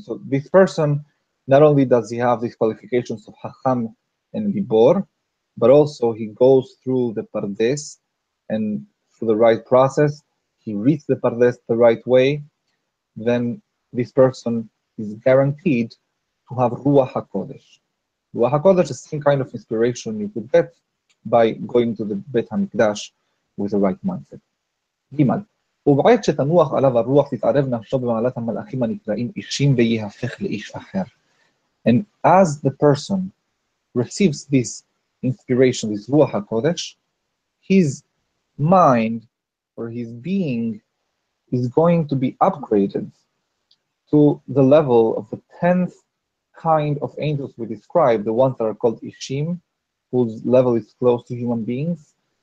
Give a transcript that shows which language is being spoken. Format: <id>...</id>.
<en>So this person, not only does he have these qualifications of Hacham and Gibor, but also he goes through the Pardes and through the right process, he reads the Pardes the right way, then this person is guaranteed to have Ruach HaKodesh. Ruach HaKodesh is the same kind of inspiration you could get by going to the Bet HaMikdash with the right mindset. Gimal,</en> <he>ובעת שתנוח עליו הרוח תתערב נפשו במעלת המלאכים הנקראים אישים ויהפך לאיש אחר.</he> <en>And as the person receives this inspiration, this Ruach HaKodesh, his mind or his being is going to be upgraded to the level of the 10th kind of angels we describe, the ones that are called Ishim, whose level is close to human beings.</en>